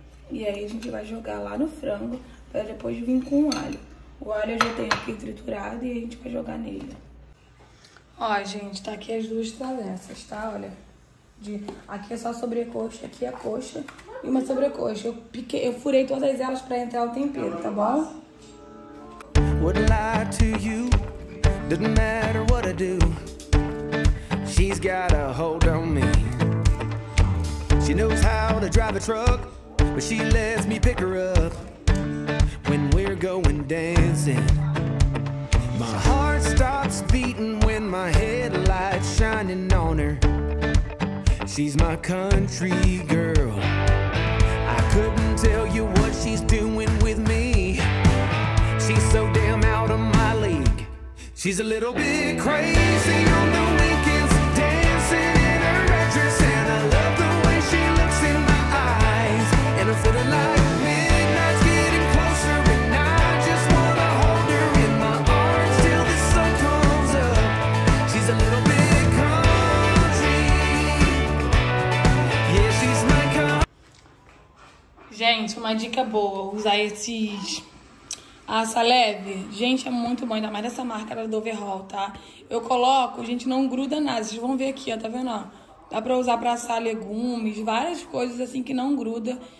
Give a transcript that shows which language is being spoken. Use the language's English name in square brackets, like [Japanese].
[Portuguese] E aí a gente vai jogar lá no frango para depois vir com o alho. O alho eu já tenho aqui triturado e a gente vai jogar nele. Ó, gente, tá aqui as duas travessas, tá? Olha. Aqui é só sobrecoxa, aqui é coxa e uma sobrecoxa. Eu furei todas elas para entrar o tempero, tá bom? [English] Would lie to you, didn't matter what I do. She's got a hold on me. She knows how to drive a truck, but she lets me pick her up when we're going dancing. My heart stops beating when my headlight's shining on her. She's my country girl. I couldn't tell you what she's doing with me. She's so damn out of my league. She's a little bit crazy on the weekends, dancing in her red dress, and I love the way she looks in my eyes. And I feel like midnight's getting closer, and I just wanna hold her in my arms till the sun comes up. She's a little bit country. Yeah, she's my country. [Portuguese] Gente, uma dica boa, usar esses Assa leve, gente, é muito bom, ainda mais essa marca da Doverol, tá? Eu coloco, gente, não gruda nada. Vocês vão ver aqui, ó, tá vendo? Ó, dá pra usar pra assar legumes, várias coisas assim que não gruda.